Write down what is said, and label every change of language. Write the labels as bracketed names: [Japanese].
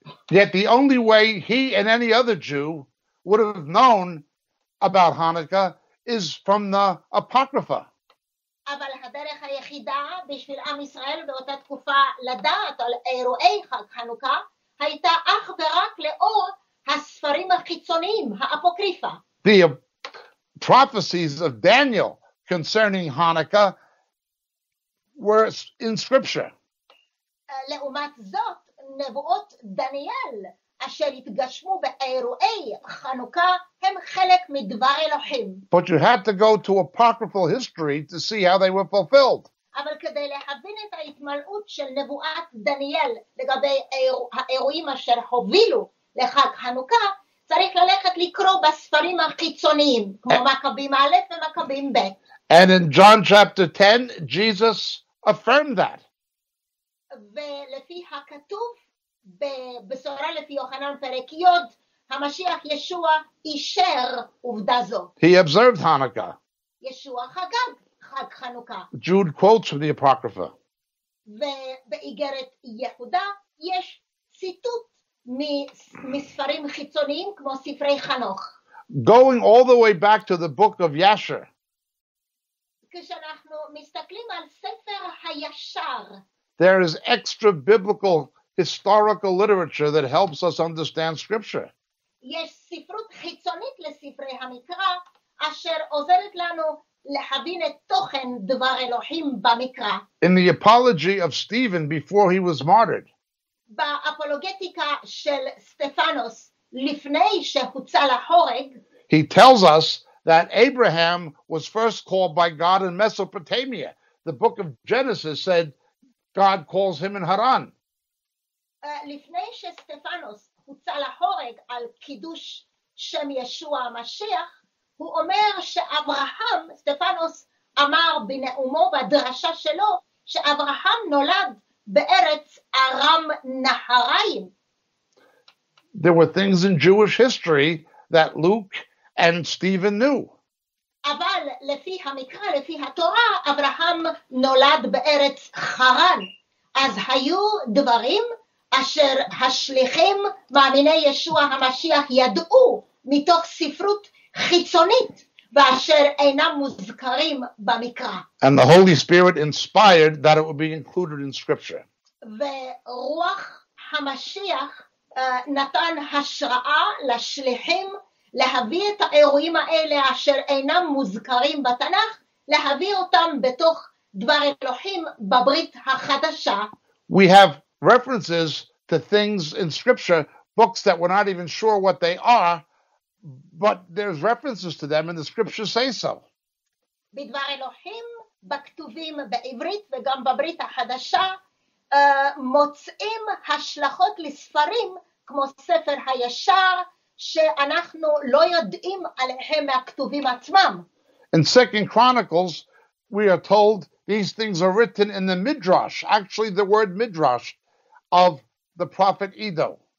[English] Yet the only way he and any other Jew would have known about Hanukkah is from the Apocrypha. [Hebrew] אבל הדרך היחידה בשביל עם ישראל באותה תקופה לדעת על אירועי חג חנוכה הייתה אך ורק לאור הספרים החיצוניים, האפוקריפה. [English] The prophecies of Daniel concerning Hanukkah were in scripture. [Hebrew] לעומת זאת, נבואות דניאל אשר התגשמו באירועי חנוכה הם חלק מדבר אלוהים. [English] But you had to go to apocryphal history to see how they were fulfilled. [Hebrew] אבל כדי להבין את ההתמלאות של נבואת דניאל לגבי האירועים אשר הובילו לחג חנוכה, צריך ללכת לקרוא בספרים החיצוניים, כמו מכבים א' ומכבים ב'. [English] And in John chapter 10, Jesus affirmed that. [Hebrew] ולפי הכתוב בבשורה לפי יוחנן פרק יוד, המשיח ישוע אישר עובדה זו. [English] He observed Hanukkah. [Hebrew] ישוע חגג חג חנוכה. [English] Jude quotes from the Apocrypha. [Hebrew] ובאיגרת יהודה יש ציטוט מספרים חיצוניים כמו ספרי חנוך. [English] Going all the way back to the book of Yasher. [Hebrew] כשאנחנו מסתכלים על ספר הישר, [English] there is extra biblical historical literature that helps us understand scripture. [Hebrew] יש ספרות חיצונית לספרי המקרא אשר עוזרת לנו להבין את תוכן דבר אלוהים במקרא. [English] In the apology of Stephen before he was martyred. [Hebrew] באפולוגטיקה של סטפנוס לפני שהוצא להורג, [English] he tells us that Abraham was first called by God in Mesopotamia. The book of Genesis said God calls him in Haran. [Hebrew] לפני שסטפנוס הוצא להורג על קידוש שם ישוע המשיח, הוא אומר שאברהם, סטפנוס אמר בנאומו בדרשה שלו, שאברהם נולד בארץ ארם נהריים. [English] There were things in Jewish history that Luke and Stephen knew. [Hebrew] אבל לפי המקרא, לפי התורה, אברהם נולד בארץ חרן. אז היו דברים אשר השליחים מאמיני ישוע המשיח ידעו מתוך ספרות חיצונית ואשר אינם מוזכרים במקרא. [English] And the Holy Spirit inspired that it would be included in scripture. [Hebrew] ורוח המשיח נתן השראה לשליחים להביא את האירועים האלה אשר אינם מוזכרים בתנך, להביא אותם בתוך דבר אלוהים בברית החדשה. [English] We have references to things in scripture, books that we're not even sure what they are, but there's references to them and the scriptures say so. [Hebrew] בדבר אלוהים, בכתובים בעברית וגם בברית החדשה, מוצאים השלכות לספרים כמו ספר הישר שאנחנו לא יודעים עליהם מהכתובים עצמם. [English] In 2 Chronicles, we are told these things are written in the Midrash, actually the word Midrash, of the prophet Edo.